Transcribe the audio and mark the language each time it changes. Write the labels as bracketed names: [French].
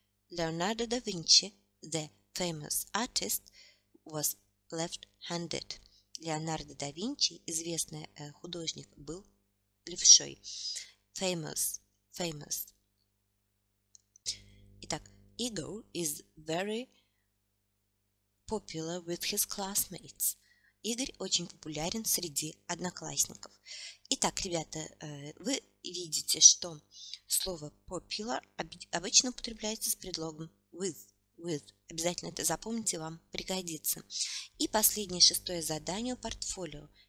[English] Leonardo da Vinci, the famous artist, was left-handed. [Russian] Леонардо да Винчи, известный художник, был левшой. [English] Famous, famous. Итак, ego is very popular with his classmates. [Russian] Игорь очень популярен среди одноклассников. Итак, ребята, вы видите, что слово popular обычно употребляется с предлогом with. [English] With. [Russian] Обязательно это запомните, вам пригодится. И последнее, шестое задание – портфолио.